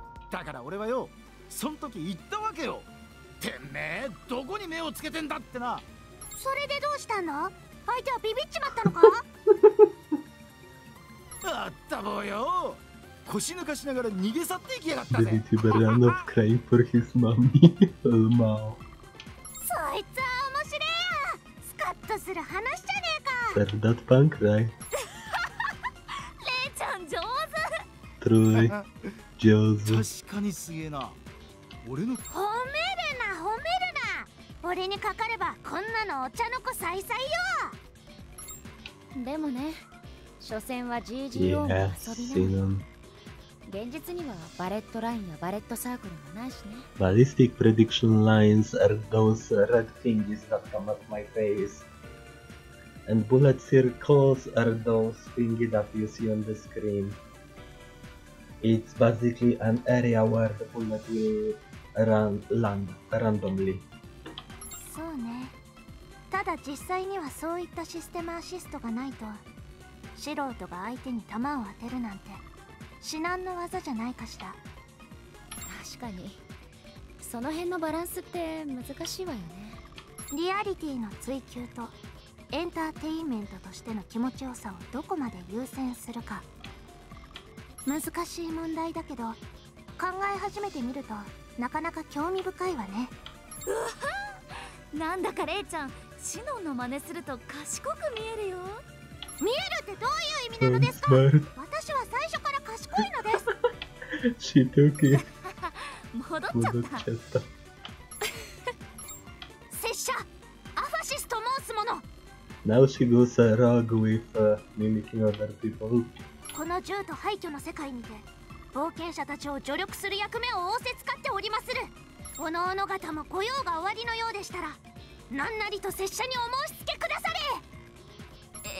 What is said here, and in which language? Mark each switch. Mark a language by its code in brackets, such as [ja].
[ja] だから俺はよ、その時言ったわけよ。てめえどこに目をつけてんだってな。それでどうしたの？相手はビビっちまったのか？あったぼうよ。腰抜かしながら逃げ去っていきやがったぜ。 [en] The YouTuber ran off crying for his mommy. Oh, wow. [ja] そいつは面白いや。スカッとする話じゃねえか。 [en] Well, that punk, right? [ja] レイちゃん上手。 True. 上手。確かにすげえな。俺の。褒めるな、褒めるな。俺にかかればこんなのお茶の子さいさいよ。でもね、所詮は GGO の遊びなの。現実にはバレットラインやバレットサークルもないしね。 [en] バリスティックプレディクションラインズ are those red things that come at my face. And bullet circles are those things that you see on the screen. It's basically an area where the bullet will run, land randomly. [ja] そうね。ただ実際にはそういったシステムアシストがないと、素人が相手に弾を当てるなんて至難の業じゃないかしら。確かにその辺のバランスって難しいわよね。リアリティの追求とエンターテインメントとしての気持ちよさをどこまで優先するか、難しい問題だけど、考え始めてみるとなかなか興味深いわね。なんだかレイちゃん、シノンの真似すると賢く見えるよ。見えるってどういう意味なのですか？私は最初から賢いのです。知っておけ。戻っちゃった。拙者、アファシスと申す者。 [en] Now she goes a rogue with mimicking other people. [ja] この銃と廃墟の世界にて冒険者たちを助力する役目を仰せつかっておりまする。おのおの方も御用が終わりのようでしたら、何なりと拙者にお申し付けくだされ。